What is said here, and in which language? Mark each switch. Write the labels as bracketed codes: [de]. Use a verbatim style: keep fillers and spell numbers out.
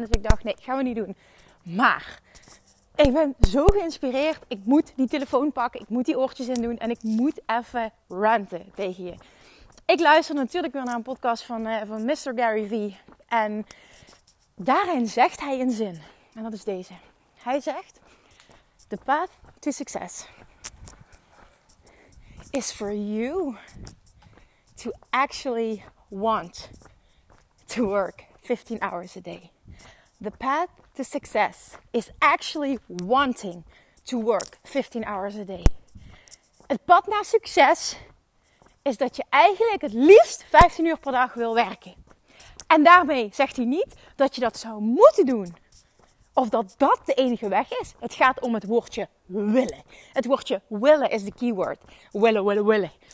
[nl] Dus ik dacht, nee, gaan we niet doen. Maar ik ben zo geïnspireerd. Ik moet die telefoon pakken. Ik moet die oortjes in doen. En ik moet even ranten tegen je. Ik luister natuurlijk weer naar een podcast van, uh, van mister Gary Vee. En daarin zegt hij een zin. En dat is deze. Hij zegt: [en] "The path to success is for you to actually want to work fifteen hours a day. The path to success is actually wanting to work fifteen hours a day." [nl] Het pad naar succes is dat je eigenlijk het liefst vijftien uur per dag wil werken. En daarmee zegt hij niet dat je dat zou moeten doen. Of dat dat de enige weg is. Het gaat om het woordje willen. Het woordje willen is de keyword. Willen, willen, willen.